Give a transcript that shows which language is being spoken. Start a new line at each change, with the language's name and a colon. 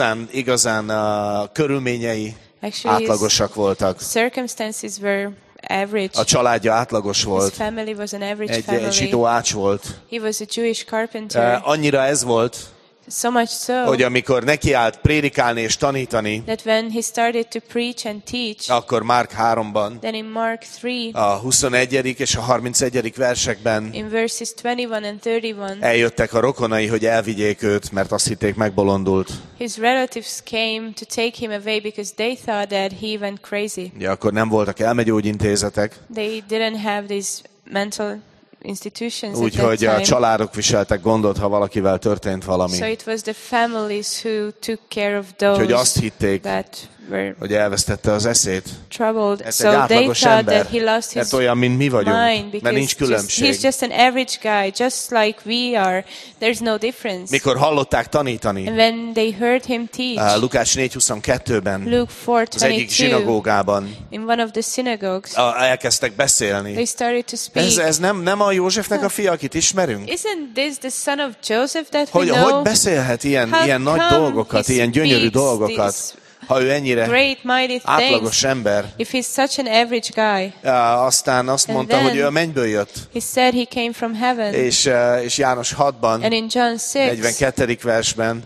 Hungarian: Igazán a körülményei
English: actually,
Hungarian: átlagosak voltak.
English: Circumstances were average.
Hungarian: A családja átlagos volt.
English: His family was an average
Hungarian: egy
English: family.
Hungarian: Zsidó ács volt.
English: He was a Jewish carpenter.
Hungarian: Annyira ez volt,
English: so much so,
Hungarian: hogy amikor nekiállt prédikálni és tanítani,
English: that when he started to preach and teach,
Hungarian: akkor Márk 3-ban,
English: then in Mark 3,
Hungarian: a 21. és a 31. versekben
English: in verses 21 and 31,
Hungarian: eljöttek a rokonai, hogy elvigyék őt, mert azt hitték megbolondult.
English: His relatives came to take him away because they thought that he went crazy.
Hungarian: Ja, akkor nem voltak elmegyógyintézetek.
English: They didn't have these mental institutions.
Hungarian: Úgyhogy a családok viseltek gondot, ha valakivel történt valami.
English: So it was the families who took care of those.
Hungarian: Úgyhogy azt hitték, hogy elvesztette az eszét.
English: Troubled.
Hungarian: Ez egy
English: so they thought
Hungarian: ember,
English: that he lost his
Hungarian: olyan, mint mi vagyunk,
English: mind because
Hungarian: mert nincs különbség.
English: He's just an average guy, just like we are. There's no difference.
Hungarian: Mikor hallották tanítani?
English: And when they heard him teach.
Hungarian: Lukács 4:22-ben.
English: Luke 4:22.
Hungarian: Az egyik zsinagógában.
English: In one of the synagogues.
Hungarian: Elkezdtek beszélni.
English: They started to speak.
Hungarian: Ez nem a Józsefnek a fia, akit ismerünk?
English: Isn't this the son of Joseph that we
Hungarian: hogy
English: know?
Hungarian: Hogy beszélhet ilyen nagy dolgokat, ilyen gyönyörű dolgokat?
English: This
Hungarian: Ha ő ennyire
English: great, mighty
Hungarian: átlagos ember,
English: if he's such an average guy,
Hungarian: aztán azt mondta,
English: then,
Hungarian: hogy ő a mennyből jött.
English: He said he came from heaven,
Hungarian: és János 6-ban,
English: and in John 6,
Hungarian: 42. versben,